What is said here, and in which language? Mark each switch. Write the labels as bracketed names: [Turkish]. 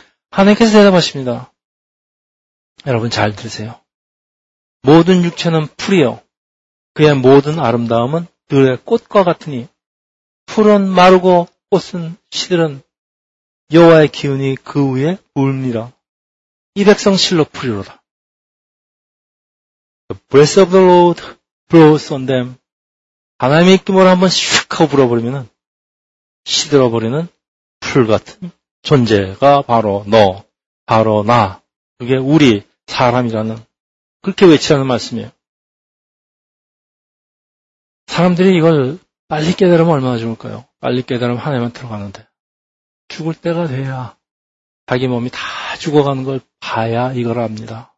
[Korean] 하나님께서 대답하십니다. 여러분 잘 들으세요. 모든 육체는 풀이요. 그의 모든 아름다움은 들의 꽃과 같으니 풀은 마르고 꽃은 시들은 여호와의 기운이 그 위에 울미라. 이 백성 실로 풀이로다. [English] The breath of the Lord blows on them. [Korean] 하나님의 입김으로 한번 슉 하고 불어버리면 시들어버리는 풀 같은 존재가 바로 너, 바로 나, 그게 우리 사람이라는 그렇게 외치라는 말씀이에요. 사람들이 이걸 빨리 깨달으면 얼마나 좋을까요? 빨리 깨달으면 하나님한테 들어가는데 죽을 때가 돼야 자기 몸이 다 죽어가는 걸 봐야 이걸 압니다.